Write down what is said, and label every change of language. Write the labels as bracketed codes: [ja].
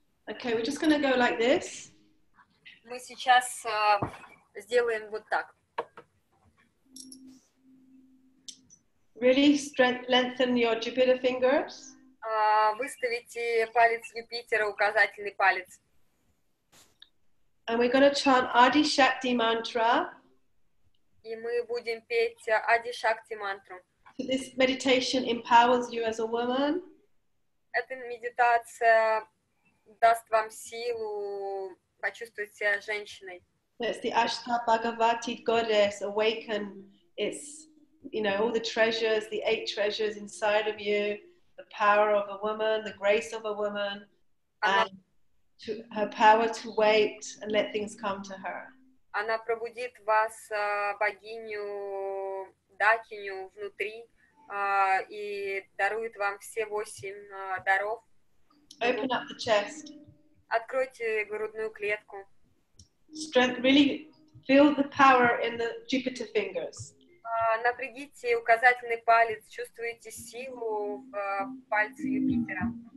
[en] Okay, we're just going to go like this. [ru] Мы сейчас сделаем вот так. [en] Really lengthen your Jupiter fingers. [ru] Выставите палец Юпитера, указательный палец. [en] And we're going to chant Adi Shakti mantra. [ru] И мы будем петь Adi Shakti mantra. [en] So this meditation empowers you as a woman. [ru] Эта медитация даст вам силу почувствовать себя женщиной. [en] It's the Ashta Bhagavati goddess awaken. It's, you know, all the treasures, the eight treasures inside of you, the power of a woman, the grace of a woman, and to, her power to wait and let things come to her. [ru] Она пробудит вас, богиню, дакиню внутри, и дарует вам все восемь даров. [en] Open up the chest. [ru] Откройте грудную клетку. [en] Strength, really feel the power in the Jupiter fingers. [ru] Напрягите указательный палец, чувствуете силу в пальце Юпитера.